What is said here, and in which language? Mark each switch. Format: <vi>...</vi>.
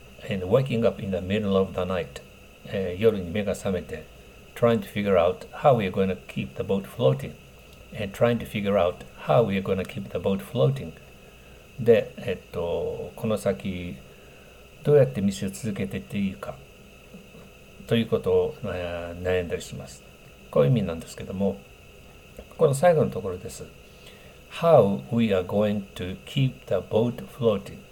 <en>And waking up in the middle of the night、</en> <ja>夜に目が覚めて、</ja> <en>trying to figure out how we are going to keep the boat floating, and trying to figure out how we are going to keep the boat floating.</en> <ja>で、この先、どうやって店を続けていっていいか、ということを、悩んだりします。こういう意味なんですけども、この最後のところです。</ja> <en>How we are going to keep the boat floating。</en>